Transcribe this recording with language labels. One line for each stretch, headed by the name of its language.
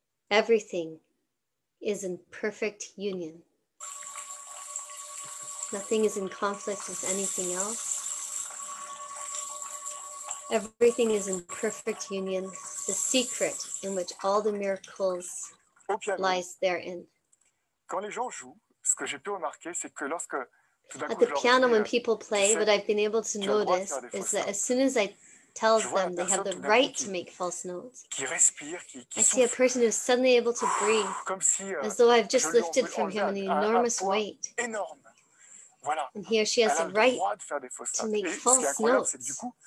English: Everything is in perfect union. Nothing is in conflict with anything else. Everything is in perfect union, the secret in which all the miracles lies therein.
French: Quand les gens jouent, ce que j'ai pu remarquer, c'est que lorsque
English: at the piano, when people play, what I've been able to notice is that as soon as I tell them they have the right to make false notes, I see a person who's suddenly able to breathe, as though I've just lifted from him an enormous weight. And he or she has the right to make false notes.